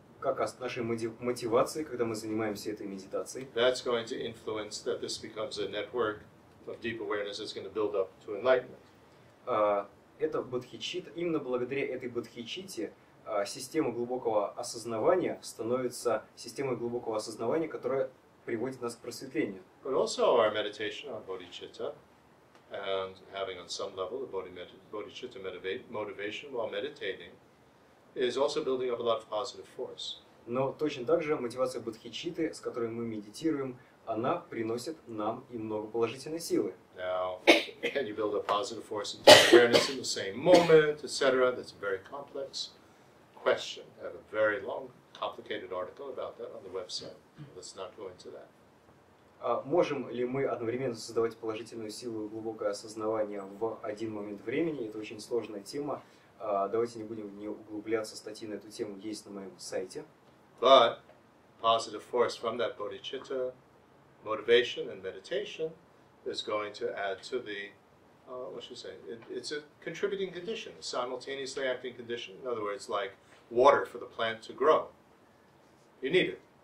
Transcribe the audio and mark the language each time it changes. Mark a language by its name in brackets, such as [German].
[Russian] как о нашей мотивации, когда мы занимаемся этой медитацией, [English] that's going to influence that this becomes a network of deep awareness that's going to build up to enlightenment. [Russian] Это бодхичитта, именно благодаря этой бодхичитте система глубокого осознавания становится системой глубокого осознавания, которая приводит нас к просветлению. [English] But also our meditation on bodhicitta and having on some level the bodhicitta motivation while meditating is also building up a lot of positive force. [Russian] Но точно так же мотивация бодхичитты, с которой мы медитируем, она приносит нам и много положительной силы. [English] Now, can you build a positive force into awareness in the same moment, etc.? That's a very complex question. I have a very long, complicated article about that on the website. Let's not go into that. [Russian] Можем ли мы одновременно создавать положительную силу и глубокое осознавание в один момент времени? Это очень сложная тема. Давайте не будем не углубляться. Статьи на эту тему есть на моем сайте. [English] But positive force from that bodhicitta motivation and meditation is going to add to the, what should I say, it's a contributing condition, a simultaneously acting condition. In other words, like water for the plant to grow. You need it.